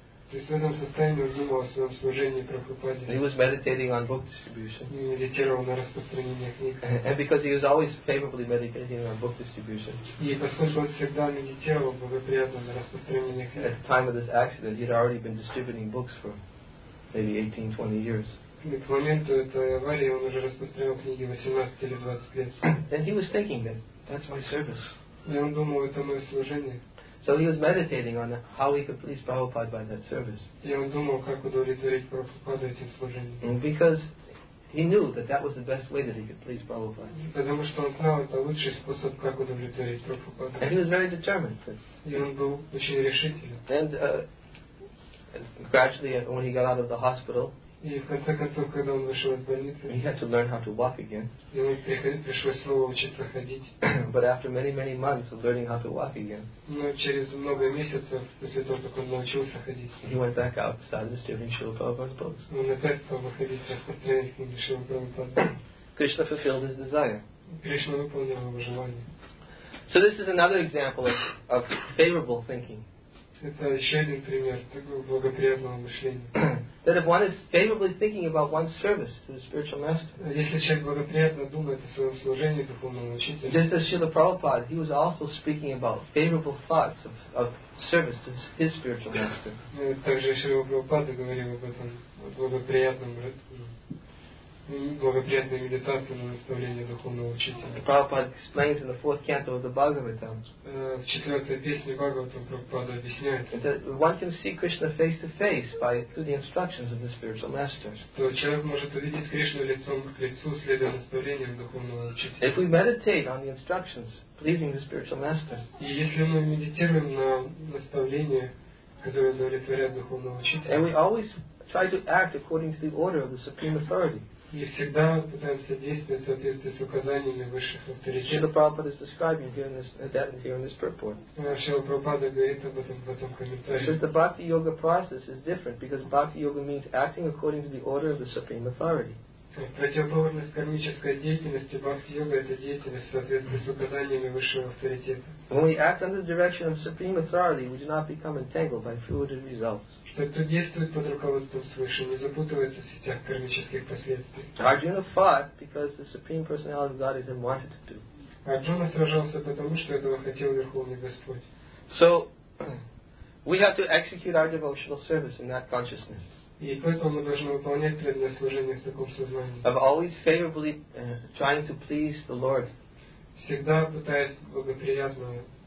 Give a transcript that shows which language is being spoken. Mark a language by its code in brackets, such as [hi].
[ru] В этом состоянии он думал о своем служении Прабхупаде. [en] He was meditating on book distribution. [ru] И медитировал на распространение книг. [en] And because he was always favorably meditating on book distribution. [ru] И поскольку он всегда медитировал благоприятно на распространение книг. [en] At the time of this accident, he had already been distributing books for maybe 18-20 years. [ru] И к моменту этой аварии он уже распространял книги 18 или 20 лет. [en] And he was thinking that that's my service. [ru] И он думал, это мое служение. [en] So he was meditating on how he could please Prabhupada by that service. [ru] И он думал, как удовлетворить Прабхупаду этим служением. [en] Because He knew that that was the best way that he could please Prabhupada. [ru] Потому что он знал, это лучший способ, как удовлетворить Прабхупаду. [en] And he was very determined. [ru] И он был очень решительным. [en] And gradually, when he got out of the hospital, [ru] и в конце концов, когда он вышел из больницы, [en] he had to learn how to walk again. [ru] Ему пришлось снова учиться ходить. [en] But after many months of learning how to walk again, [ru] но через много месяцев после того, как он научился ходить, [en] he went back out, started studying Srila Prabhupada's books. [ru] Он опять стал выходить на построение книги Шрила Прабхупады. [en] Кришна fulfilled his desire. [ru] Кришна выполнил его желание. [en] So this is another example of favorable thinking. [ru] Это еще один пример такого благоприятного мышления. [en] That if one is favorably thinking about one's service to the spiritual master. [ru] Если человек благоприятно думает о своем служении духовному учителю. [en] Just as Srila Prabhupada, he was also speaking about favorable thoughts of service to his spiritual master. [ru] Также Шрила Прабхупада говорил об этом благоприятной медитации на наставление духовного учителя. [en] Prabhupada explains in the fourth canto of the Bhagavatam. [ru] В четвертой песне Бхагаватам Прабхупада объясняет. [en] That one can see Krishna face to face by through the instructions of the spiritual master. [ru] То человек может увидеть Кришну лицом к лицу, следуя наставлениям духовного учителя. [en] If we meditate on the instructions pleasing the spiritual master. [ru] И если мы медитируем на наставления, которые удовлетворяют духовного учителя. [en] And we always try to act according to the order of the supreme authority. [ru] И всегда пытаемся действовать в соответствии с указаниями высших авторитетов. [en] Srila Prabhupada is describing here in this purport. [ru] Srila Prabhupada говорит об этом в этом комментарии. [en] Says the bhakti yoga process is different because bhakti yoga means acting according to the order of the supreme authority. [ru] Противоположность кармической деятельности бхакти йога это деятельность в соответствии с указаниями высшего авторитета. [en] When we act under the direction of supreme authority, we do not become entangled by fluid results. [ru] Тот, кто действует под руководством свыше, не запутывается в сетях кармических последствий. [en] Arjuna fought because the supreme personality of Godhead wanted to do. [ru] Арджуна сражался потому, что этого хотел Верховный Господь. [en] So we have to execute our devotional service in that consciousness. [ru] И поэтому мы должны выполнять преданное служение в таком сознании. [en] Of always favorably trying to please the Lord. [ru] Всегда пытаясь благоприятно.